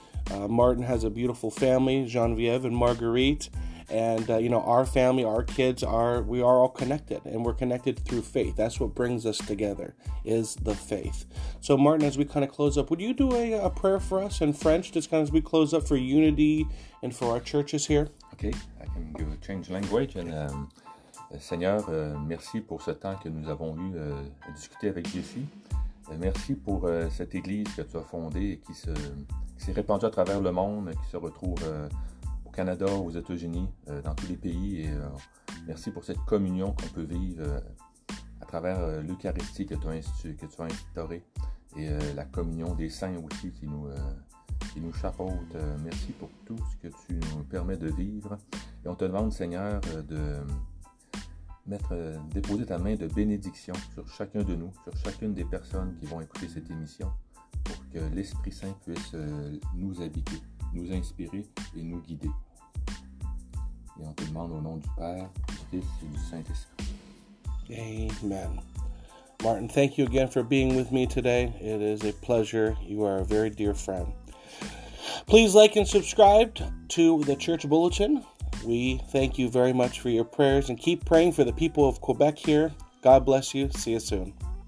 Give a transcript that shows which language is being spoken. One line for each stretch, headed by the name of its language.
English: Martin has a beautiful family, Genevieve and Marguerite, and you know, our family, our kids, we are all connected, and we're connected through faith. That's what brings us together, is the faith. So Martin, as we kind of close up, would you do a prayer for us in French, just kind of as we close up, for unity and for our churches here? Okay, I can give a change language.
French: And Seigneur, merci pour ce temps que nous avons eu à discuter avec Jessie. Merci pour cette église que tu as fondée et qui s'est répandue à travers le monde, qui se retrouve au Canada, aux États-Unis, dans tous les pays. Et merci pour cette communion qu'on peut vivre à travers l'Eucharistie que tu as instaurée, et la communion des saints aussi qui nous chapeaute. Merci pour tout ce que tu nous permets de vivre. Et on te demande, Seigneur, de déposer ta main de bénédiction sur chacun de nous, sur chacune des personnes qui vont écouter cette émission, pour que l'Esprit Saint puisse nous habiter, nous inspirer et nous guider. Et on te demande au nom du Père, du Fils et du Saint-Esprit. Amen.
English: Martin, thank you again for being with me today. It is a pleasure. You are a very dear friend. Please like and subscribe to the Church Bulletin. We thank you very much for your prayers, and keep praying for the people of Quebec here. God bless you. See you soon.